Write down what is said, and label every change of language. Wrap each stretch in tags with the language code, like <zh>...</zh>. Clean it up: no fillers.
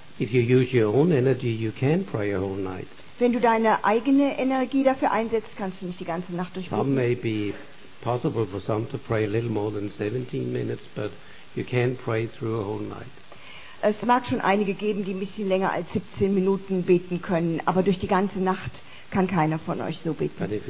<en>If you use your own energy, you can pray a whole night.</en> <de>Wenn du deine eigene Energie dafür einsetzt, kannst du nicht die ganze Nacht durchbeten.</de> <en>Some may be possible for some to pray a little more than 17 minutes, but you can pray through a whole night.</en> <de>Es mag schon einige geben, die ein bisschen länger als 17 Minuten beten können, aber durch die ganze Nacht kann keiner von euch so beten.</de>